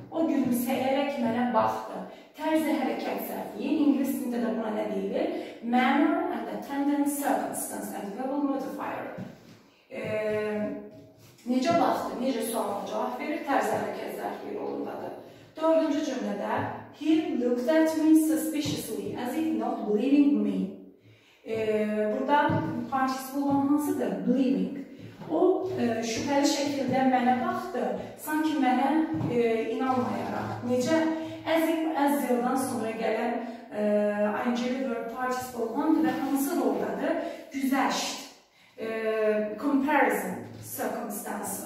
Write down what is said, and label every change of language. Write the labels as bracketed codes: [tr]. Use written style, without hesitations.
[az] O gülümsəyərək mənə baxdı. Tərzi hərəkət zərfliyi. İngilis dilində də buna nə deyilir? [en] Manner and attendant circumstance and verbal modifier. [az] Necə baxdı, necə sualına cavab verir, tərzi hərəkət zərfliyi rolundadır. Dördüncü cümlədə. [en] He looked at me suspiciously as if not believing me. [az] Burada participle 1 hansıdır? Believing. O şübhəli şəkildə mənə baxdı, sanki mənə inanmayaraq. Necə? Əzildən sonra gələn ing-li verb participle 1-dir və hansı roldadır? [en] Güzəşt. Comparison. Circumstance.